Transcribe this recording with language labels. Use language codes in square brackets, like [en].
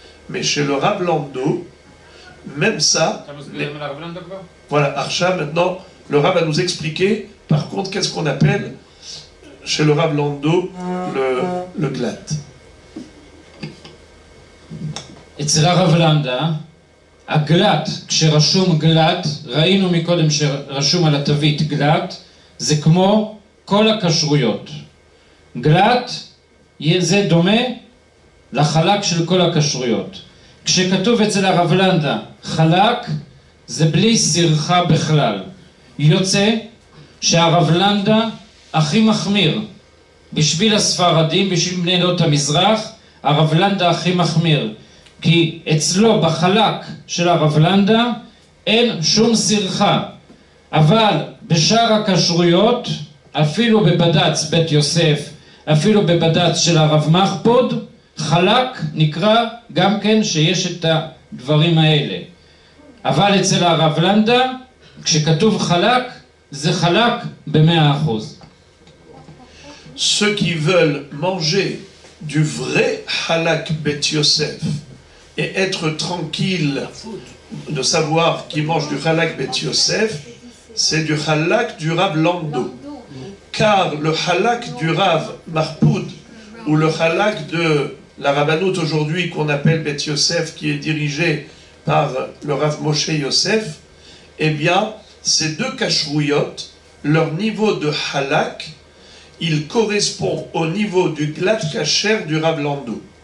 [fr] Mais chez le Rav Lando, même ça... Voilà, Archa, maintenant, le Rav va nous expliquer, par contre, qu'est-ce qu'on appelle chez le Rav Lando le glat. Et c'est le Rav Lando, hein? [he] הגלט, כשרשום גלט, ראינו מקודם שרשום על התווית גלט, זה כמו כל הכשרויות. גלט, זה דומה לחלק של כל הכשרויות. כשכתוב אצל הרב לנדה, חלק, זה בלי סירחה בכלל. יוצא שהרב לנדה הכי מחמיר. בשביל הספרדים, בשביל בני עדות המזרח, הרב לנדה הכי מחמיר. כי אצלו בחלק של הרב לנדה אין שום סרחה, אבל בשאר הכשרויות, אפילו בבדץ בית יוסף, אפילו בבדץ של הרב מחפוד, חלק נקרא גם כן שיש את הדברים האלה. אבל אצל הרב לנדה, כשכתוב חלק, זה חלק ב-100%. [fr] Ceux qui veulent manger du vrai חלק בית יוסף, et être tranquille de savoir qu'il mange du halak Bet Yosef, c'est du halak du Rav Lando. Car le halak du Rav Marpoud, ou le halak de la Rabbanout aujourd'hui qu'on appelle Bet Yosef, qui est dirigé par le Rav Moshe Yosef, eh bien, ces deux kashrouyot, leur niveau de halak, il correspond au niveau du glat kasher du Rav Lando.